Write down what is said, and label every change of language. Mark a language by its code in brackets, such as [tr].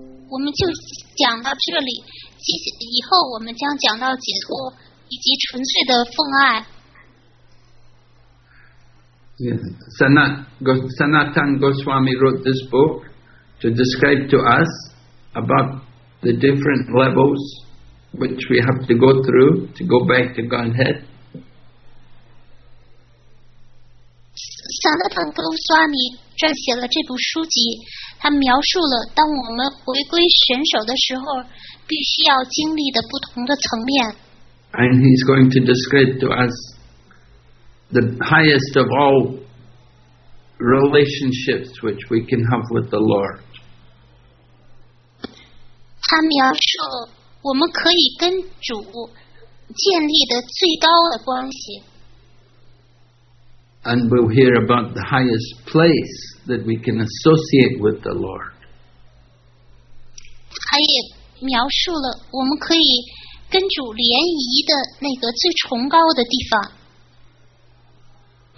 [zh] 我们就讲到这里，以后我们将讲到解脱以及纯粹的奉爱。 [en] Sanatan Goswami wrote this book to describe to us about the different levels which we have to go through to go back to Godhead. [zh] Sanatan Goswami 撰写了这部书籍，他描述了当我们回归神首的时候必须要经历的不同的层面。 [en] And he's going to describe to us the highest of all relationships which we can have with the Lord. [zh] 他描述我们可以跟主建立的最高的关系。 [en] And we'll hear about the highest place that we can associate with the Lord. [zh] 他也描述了我们可以跟主联谊的那个最崇高的地方。